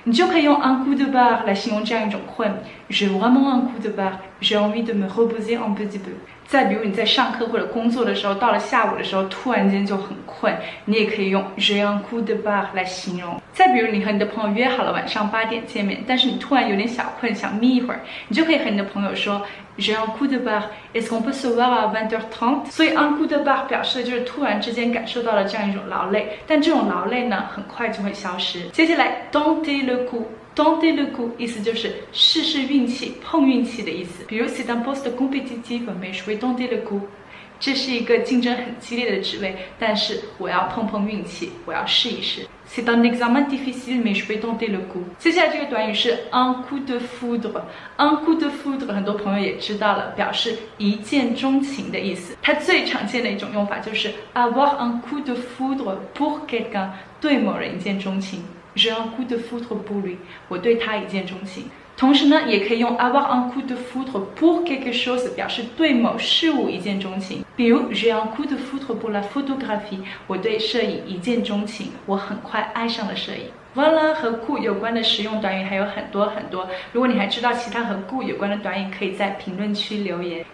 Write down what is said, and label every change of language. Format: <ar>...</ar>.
<zh>你就可以用 un coup de barre 来形容这样一种困。</zh> <fr>J'ai vraiment un coup de barre. J'ai envie de me reposer un petit peu.</fr> <zh>再比如你在上课或者工作的时候，到了下午的时候突然间就很困，你也可以用</zh> <fr>J'ai un coup de barre</fr> <zh>来形容。再比如你和你的朋友约好了晚上八点见面，但是你突然有点小困，想眯一会儿，你就可以和你的朋友说</zh> <fr>J'ai un coup de barre. Est-ce qu'on peut se voir à 20h30?</fr> <zh>所以 un coup de barre 表示的就是突然之间感受到了这样一种劳累，但这种劳累呢很快就会消失。接下来 Tentez le coup。 Tentez le coup 意思就是试试运气，碰运气的意思。</zh> <fr>比如 c'est un poste compétitif, mais je vais tenter le coup.</fr> <zh>这是一个竞争很激烈的职位，但是我要碰碰运气，我要试一试。</zh> <fr>C'est un examen difficile, mais je vais tenter le coup.</fr> <zh>接下来这个短语是</zh> <fr>un coup de foudre.</fr> <zh>un coup de foudre 很多朋友也知道了，表示一见钟情的意思。它最常见的一种用法就是</zh> <fr>avoir un coup de foudre pour quelqu'un,</fr> <zh>对某人一见钟情。</zh> <fr>J'ai un coup de foudre pour lui，</fr> <zh>我对他一见钟情。同时呢，也可以用</zh> <fr>avoir un coup de foudre pour quelque chose</fr> <zh>表示对某事物一见钟情。比如</zh> <fr>j'ai un coup de foudre pour la photographie，</fr> <zh>我对摄影一见钟情，我很快爱上了摄影。 Voilà， 和 coup 有关的实用短语还有很多很多，如果你还知道其他和 coup 有关的短语，可以在评论区留言。</zh>